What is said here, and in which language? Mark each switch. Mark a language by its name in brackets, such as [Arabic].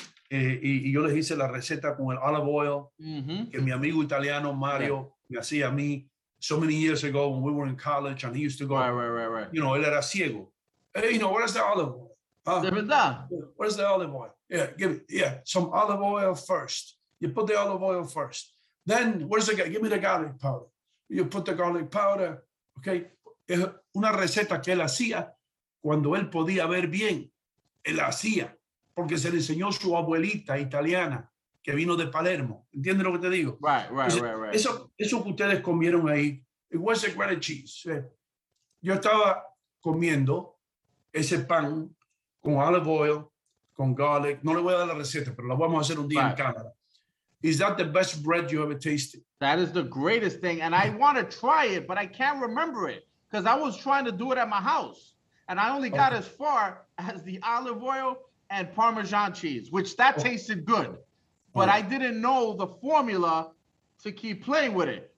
[Spanish] Y yo les hice la receta con el olive oil. Mm-hmm. Que mi amigo italiano, Mario, me hacía a mí. [English] So many years ago when we were in college and he used to go. Right. You know, [Spanish] él era ciego. [English] Hey, you know, where's the olive oil? [Spanish] De verdad. [English] Where's the olive oil? Yeah, give me. Yeah, some olive oil first. You put the olive oil first. Then, where's the, give me the garlic powder. You put the garlic powder, okay? [Spanish] Es una receta que él hacía cuando él podía ver bien. Él hacía, porque se le enseñó su abuelita italiana que vino de Palermo. ¿Entiendes lo que te digo? [English] Right. [Spanish] Eso que ustedes comieron ahí, [English] where's the grated cheese? [Spanish] Yo estaba comiendo ese pan con olive oil, con garlic. No le voy a dar la receta, pero la vamos a hacer un día en cámara. [English] Is that the best bread you ever tasted? That is the greatest thing. And I want to try it, but I can't remember it because I was trying to do it at my house. And I only got as far as the olive oil and Parmesan cheese, which that tasted good. But I didn't know the formula to keep playing with it.